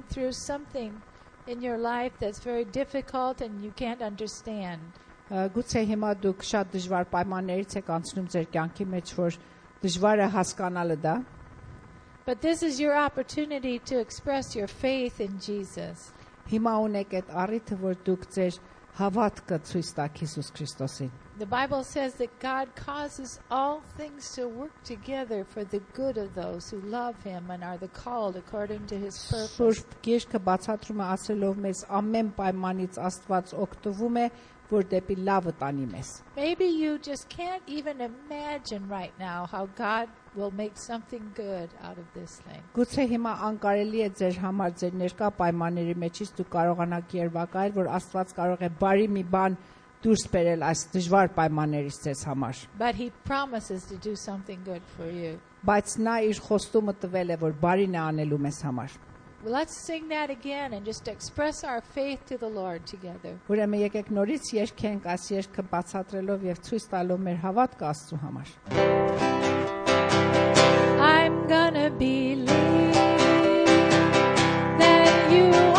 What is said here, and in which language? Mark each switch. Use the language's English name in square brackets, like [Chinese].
[English] something in your life that's very difficult and you can't understand. [Armenian] Գուցե հիմա դուք շատ դժվար պայմաններից եք անցնում ձեր կյանքի մեջ, որ դժվար է հասկանալը դա. [English] But this is your opportunity to express your faith in Jesus. [Armenian] Հիմա ունեք այդ առիթը, որ դուք ձեր հավատքը ցույց տաք Հիսուս Քրիստոսին. [English] The Bible says that God causes all things to work together for the good of those who love him and are the called according to his purpose. [Armenian] Շուրջ գիրքը բացատրում է ասելով մեզ ամեն պայմանից Աստված օգտվում է, որ դեպի լավը տանի մեզ. [English] Maybe you just can't even imagine right now how God will make something good out of this thing. [Armenian] Գուցե հիմա անկարելի է ձեր համար ձեր ներկա պայմանների մեջից դու կարողանաք երևակայել, որ Աստված կարող է բարի մի բան դուրս բերել այս դժվար պայմաններից ձեզ համար. [English] But he promises to do something good for you. [Armenian] Բայց նա իր խոստումը տվել է, որ բարին է անելու մեզ համար. [English] Well, let's sing that again and just express our faith to the Lord together. [Armenian] Ուրեմն եկեք նորից երգենք այս երգը բացատրելով եւ ցույց տալով մեր հավատքը Աստծո համար. [English] I'm gonna believe that you